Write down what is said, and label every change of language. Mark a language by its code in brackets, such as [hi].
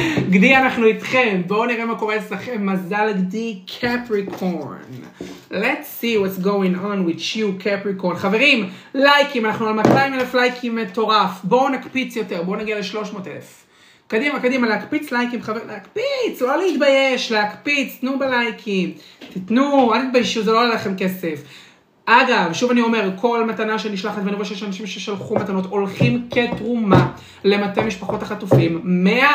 [he] גדי, אנחנו איתכם, בואו נראה מה קורה אצלכם, מזל גדי, קפריקורן. [en] Let's see what's going on with you, Capricorn. [he] חברים, לייקים, אנחנו על 200 אלף לייקים מטורף. בואו נקפיץ יותר, בואו נגיע ל-300 אלף. קדימה, קדימה, להקפיץ לייקים, חבר... להקפיץ, לא להתבייש, להקפיץ, תנו בלייקים. תתנו, אל תתביישו, זה לא עולה לכם כסף. אגב, שוב אני אומר, כל מתנה שנשלחת, ואני רואה שיש אנשים ששלחו מתנות, הולכים כתרומה למתי משפחות החטופים.